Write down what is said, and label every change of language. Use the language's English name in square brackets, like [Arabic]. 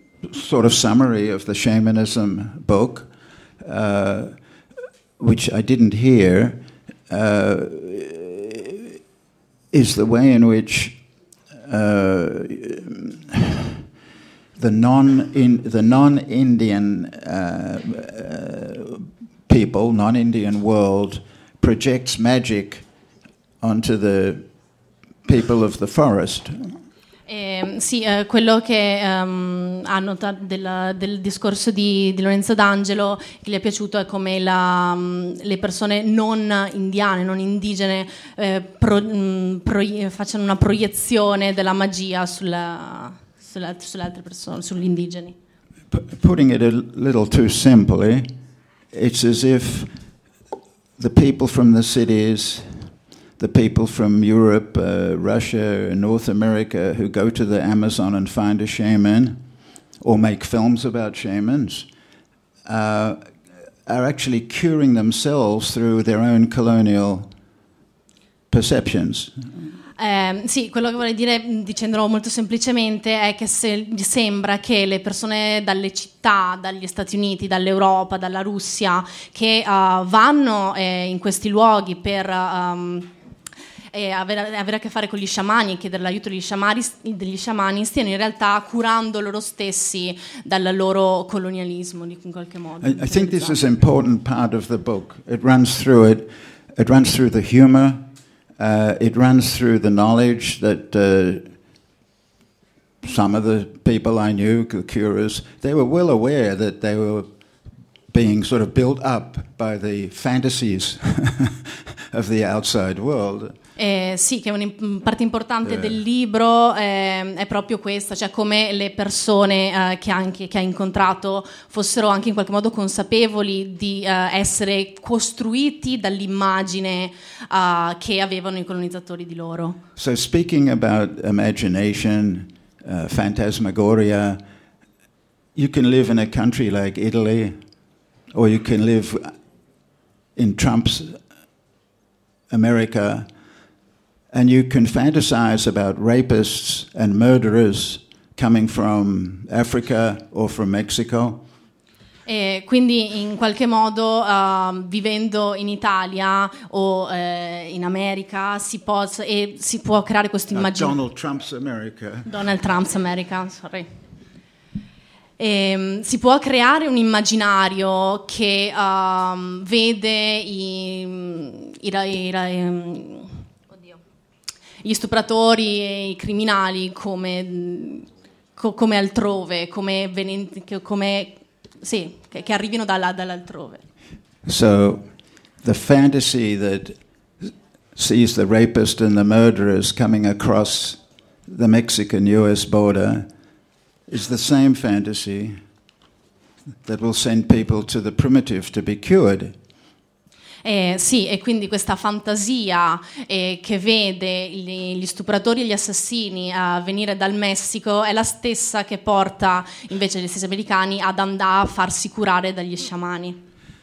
[English] sort of summary of the shamanism book, which I didn't hear, is the way in which the non-Indian people, non-Indian world, projects magic onto the people of the forest. [Italian] Sì, quello che ha notato del discorso di Lorenzo D'Angelo che gli è piaciuto è come le persone non indiane, non indigene, facciano una proiezione della magia sulle altre persone, sugli indigeni. [English] Putting it a little too simply, it's as if the people from the cities, the people from Europe, Russia, North America who go to the Amazon and find a shaman or make films about shamans are actually curing themselves through their own colonial perceptions. [Italian] Sì, quello che vorrei dire, dicendolo molto semplicemente, è che se mi sembra che le persone dalle città, dagli Stati Uniti, dall'Europa, dalla Russia, che vanno in questi luoghi per avere a che fare con gli sciamani e chiedere l'aiuto degli sciamani, stiano in realtà curando loro stessi dal loro colonialismo, in qualche modo. [English] I think this is an important part of the book. It runs through it. It runs through the humor. It runs through the knowledge that some of the people I knew, the curers, they were well aware that they were being sort of built up by the fantasies of the outside world. [Italian] Sì, che una parte importante del libro è proprio questa, cioè come le persone che ha incontrato fossero anche in qualche modo consapevoli di essere costruiti dall'immagine che avevano i colonizzatori di loro. [English] So speaking about imagination, phantasmagoria, you can live in a country like Italy or you can live in Trump's America. And you can fantasize about rapists and murderers coming from Africa or from Mexico. [Italian] E quindi in qualche modo vivendo in Italia o in America si può creare questa immagine. [English] Donald Trump's America. Donald Trump's America, sorry. [Italian] Si può creare un immaginario che vede gli stupratori e i criminali come altrove, che arrivino dall'altrove. [English] So the fantasy that sees the rapist and the murderers coming across the Mexican-US border is the same fantasy that will send people to the primitive to be cured. [Italian] Sì, e quindi questa fantasia che vede gli stupratori e gli assassini a venire dal Messico è la stessa che porta invece gli stessi americani ad andare a farsi curare dagli sciamani.